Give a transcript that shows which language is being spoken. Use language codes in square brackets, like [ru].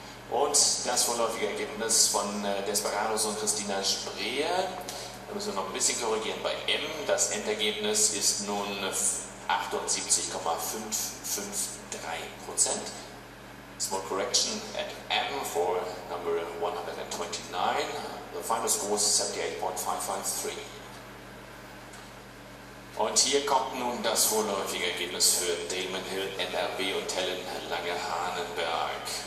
[de] Und das vorläufige Ergebnis von Desperados und Christina Spreer. Da müssen wir noch ein bisschen korrigieren bei M. Das Endergebnis ist nun 78,553%. [en] Small correction at M for number 129. The final score is 78,553. [de] Und hier kommt nun das vorläufige Ergebnis für Damon Hill, NRW und Helen Lange-Hahnenberg.